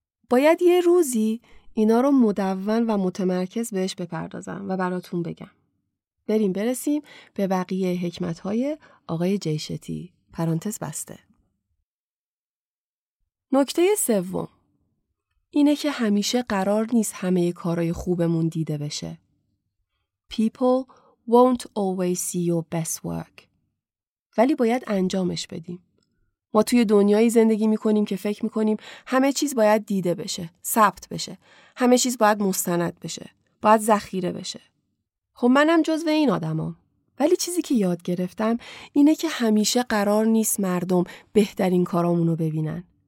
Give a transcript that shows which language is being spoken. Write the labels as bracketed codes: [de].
[fa] باید یه روزی اینا رو مدون و متمرکز بهش بپردازم و براتون بگم. بریم برسیم به بقیه حکمت‌های آقای جیشتی. پرانتز بسته. نکته سوم اینه که همیشه قرار نیست همه کارای خوبمون دیده بشه. [en] People won't always see your best work. [fa] ولی باید انجامش بدیم. ما توی دنیایی زندگی میکنیم که فکر میکنیم همه چیز باید دیده بشه، ثبت بشه، همه چیز باید مستند بشه، باید ذخیره بشه. خب منم جزو این آدمام. ولی چیزی که یاد گرفتم اینه که همیشه قرار نیست مردم بهترین کارامونو ببینن.